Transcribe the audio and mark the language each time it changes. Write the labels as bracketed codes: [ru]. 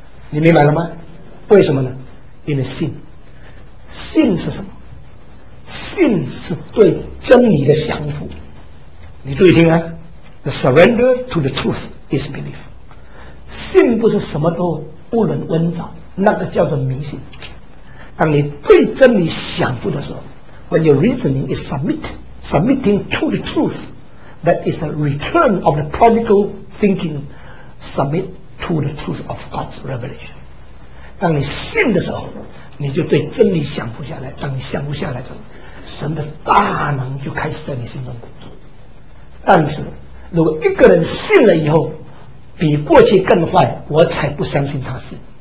[zh] 你明白了吗？为什么呢？因为信。信是什么？信是对真理的降服。你注意听啊 ， [en] The surrender to the truth is belief。 [zh] 信不是什么都不能温着，那个叫做迷信。当你对真理降服的时候 [en] ，When your reasoning is submitting to the truth, that is a return of the prodigal thinking, submit to the truth of God's revelation. [zh] 当你信的时候，你就对真理降服下来，当你降服下来的时候，神的大能就开始在你心中工作。但是如果一个人信了以后比过去更坏，我才不相信他是。